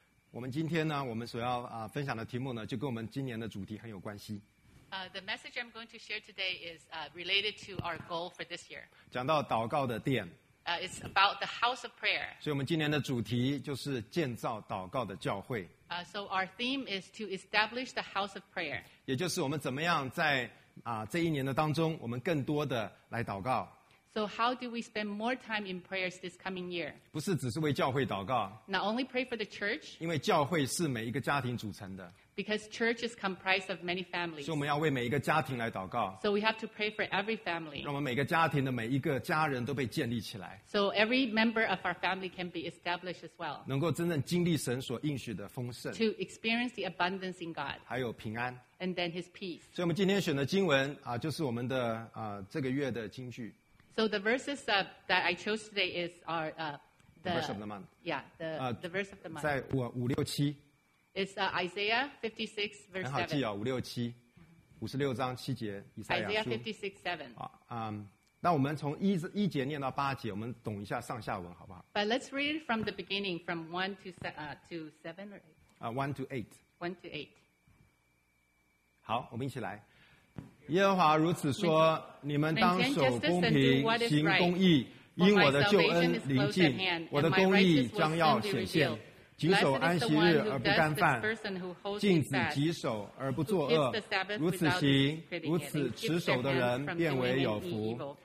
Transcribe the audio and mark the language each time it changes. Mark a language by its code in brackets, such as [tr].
[zh] 我们今天呢，我们所要分享的题目呢，就跟我们今年的主题很有关系。 [en] The message I'm going to share today is related to our goal for this year. [zh] 讲到祷告的殿。 [en] It's about the house of prayer. [zh] 所以我们今年的主题就是建造祷告的教会。 [en] So our theme is to establish the house of prayer. [zh] 也就是我们怎么样在这一年的当中，我们更多的来祷告。 [en] So how do we spend more time in prayers this coming year? [zh] 不是只是为教会祷告。 [en] Not only pray for the church. [zh] 因为教会是每一个家庭组成的。 [en] Because church is comprised of many families. [zh] 所以我们要为每一个家庭来祷告。 [en] So we have to pray for every family. [zh] 让我们每个家庭的每一个家人都被建立起来。 [en] So every member of our family can be established as well. [zh] 能够真正经历神所应许的丰盛。 [en] To experience the abundance in God. [zh] 还有平安。 [en] And then his peace. [zh] 所以我们今天选的经文就是我们的这个月的金句。 [en] So the verses that I chose today is our the verse of the month. Yeah, the verse of the month. [zh] 在五六七 [en] It's Isaiah 56 verse 7. [zh] 很好记哦，五六七，五十六章七节，以赛亚书。 [en] Isaiah 56:7. [zh] 啊，那我们从一节念到八节，我们懂一下上下文，好不好 [en] ？But let's read it from the beginning, from 1 to 7 or 8. 1 to 8. [zh] 好，我们一起来。耶和华如此说：你们当守公平，行公义，因我的救恩临近，我的公义将要显现。谨守安息日而不干犯，禁止己守而不作恶，如此行，如此持守的人便为有福。